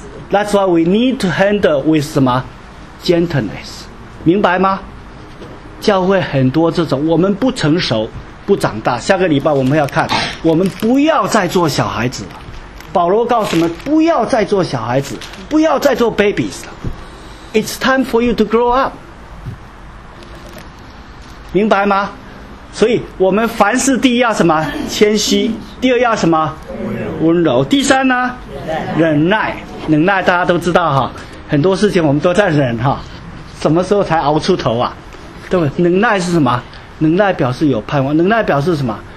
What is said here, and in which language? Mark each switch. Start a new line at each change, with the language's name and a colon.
English: That's why we need to handle with
Chinese: 什么？ gentleness。 明白吗？教会很多这种，我们不成熟不长大。下个礼拜我们要看，我们不要再做小孩子了。保罗告诉我们，不要再做小孩子，不要再做 babies 了。
English: It's time for you to grow up，
Chinese: 明白吗？所以我们凡事第一要什么？谦虚。第二要什么？温柔。第三呢？忍耐。忍耐大家都知道哈，很多事情我们都在忍哈，什么时候才熬出头啊？对不对？忍耐是什么？忍耐表示有盼望。忍耐表示什么？